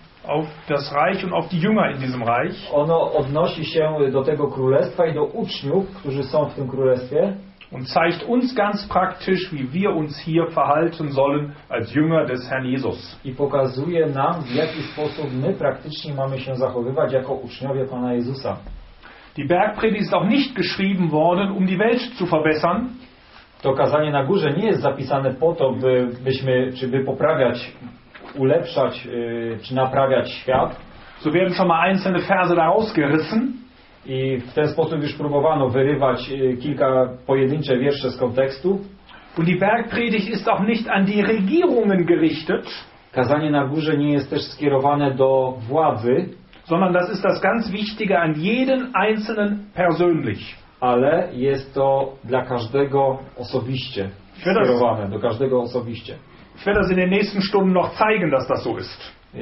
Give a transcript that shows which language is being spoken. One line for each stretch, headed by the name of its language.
German: auf das Reich und auf die Jünger in diesem Reich.
Polish: Ono odnosi się do tego królestwa i do uczniów, którzy są w tym królestwie.
German: Und zeigt uns ganz praktisch, wie wir uns hier verhalten sollen als Jünger des Herrn Jesus.
Polish: I pokazuje nam, w jaki sposób my praktycznie mamy się zachowywać jako uczniowie Pana Jezusa.
German: Die Bergpredigt ist auch nicht geschrieben worden, um die Welt zu verbessern.
Polish: To kazanie na górze nie jest zapisane po to, by poprawiać, ulepszać czy naprawiać świat.
German: So werden schon mal einzelne Verse daraus gerissen.
Polish: I w ten sposób już próbowano wyrywać kilka pojedyncze wiersze z kontekstu.
German: Und die Bergpredigt ist auch nicht an die Regierungen gerichtet.
Polish: Kazanie na górze nie jest też skierowane do władzy,
German: sondern das ist das ganz wichtige an jeden einzelnen persönlich.
Polish: Ale jest to dla każdego osobiście skierowane, do każdego osobiście.
German: Ich werde das in den nächsten Stunden noch zeigen, dass das so ist.